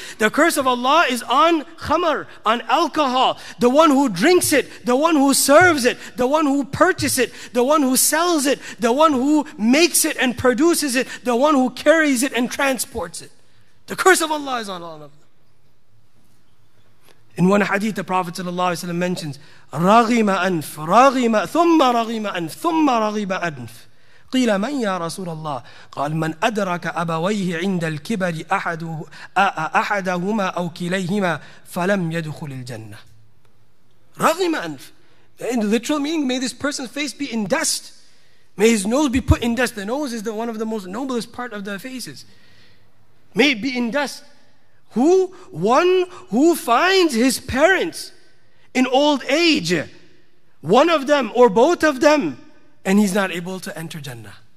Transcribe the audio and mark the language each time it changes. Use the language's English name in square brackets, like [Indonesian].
[English] The curse of Allah is on khamar, on alcohol, the one who drinks it, the one who serves it, the one who purchases it, the one who sells it, the one who makes it and produces it, the one who carries it and transports it. The curse of Allah is on all of them. In one hadith, the Prophet sallallahu alaihi wasallam mentions, [Arabic] رغم أنف رغم ثم رغم أنف ثم رغم أنف قيل من يا رسول الله قال من أدرك أبويه عند الكبر أحدهما أو كليهما فلم يدخل الجنة. رغم أنف, [English] in the literal meaning, may this person's face be in dust, may his nose be put in dust. The nose is the one of the most noblest part of the faces. May it be in dust. Who? One who finds his parents in old age, one of them or both of them, and he's not able to enter Jannah.